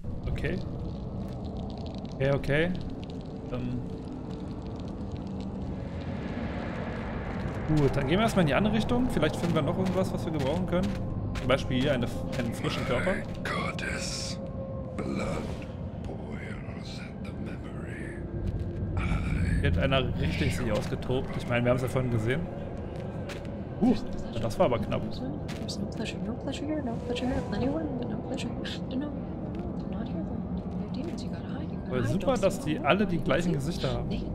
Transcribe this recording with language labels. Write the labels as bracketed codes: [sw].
[de] Okay. Okay, okay. Gut, dann gehen wir erstmal in die andere Richtung. Vielleicht finden wir noch irgendwas, was wir gebrauchen können. Zum Beispiel hier einen frischen Körper. [en] Goddess, Blood boils at the memory. [de] Hat einer richtig sich ausgetobt. Ich meine, wir haben es ja vorhin gesehen. Das war aber knapp. [en] No pleasure here, no pleasure here, anyone, no pleasure, no, not here, no demons, you gotta hide, you gotta... [de] Aber super, dass die alle die gleichen Gesichter haben.